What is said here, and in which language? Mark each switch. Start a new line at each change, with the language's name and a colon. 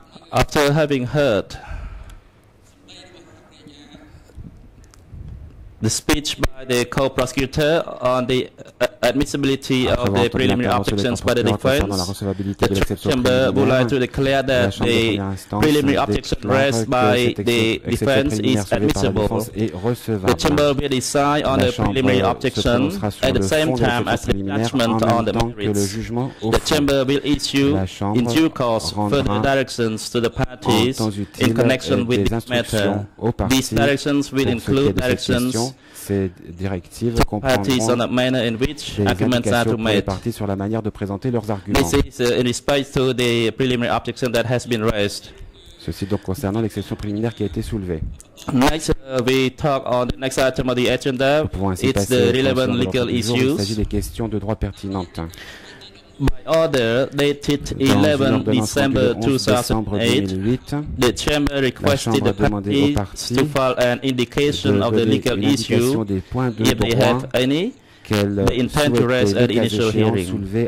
English: after having heard the speech by the co-prosecutor on the admissibility of the preliminary objections by the defense, the chamber would like to declare that the preliminary objection raised by the defense is admissible. The chamber will decide on the preliminary objection at the same time as the judgment on the merits. The chamber will issue in due course further directions to the parties in connection with this matter. These directions will include directions
French: ces directives comprennent les arguments à les parties sur la manière de présenter leurs arguments.
English: This is in respect to the preliminary objection that has been raised.
French: Ceci donc concernant l'exception préliminaire qui a été soulevée.
English: Next, we talk on the next item of the agenda. It's the relevant legal issues.
French: Il s'agit des questions de droit pertinentes.
English: By order dated 11 December 2008, the chamber requested the parties to file an indication of the legal issue, if they have any, they intend to raise at initial hearing.